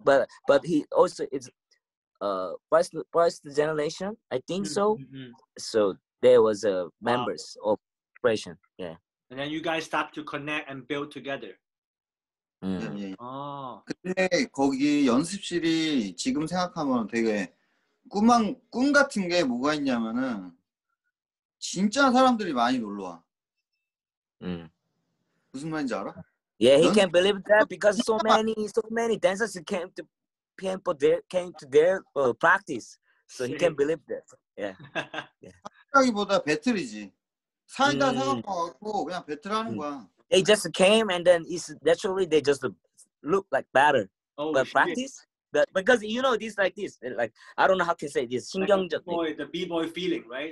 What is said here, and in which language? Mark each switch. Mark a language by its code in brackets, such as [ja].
[en] But he also is first generation, I think so. So there was a members of Expression. Yeah. And then you guys start to connect and build together. [ko] 근데 거기 연습실이 지금 생각하면 되게 꿈 같은 게 뭐가 있냐면은. 진짜 사람들이 많이 놀러 와. 무슨 말인지 알아? [en] Yeah, he can't believe that because so many dancers came to their practice. So he can't believe that. Yeah. [ko] 하기보다 배틀이지. 사인다 사갖고 와갖고 그냥 배틀하는 거야. [en] They just came and then it's naturally they just look like batter. Oh, but shit. Practice? But because you know this like this, like I don't know how to say this. Like the boy, the b-boy feeling, right?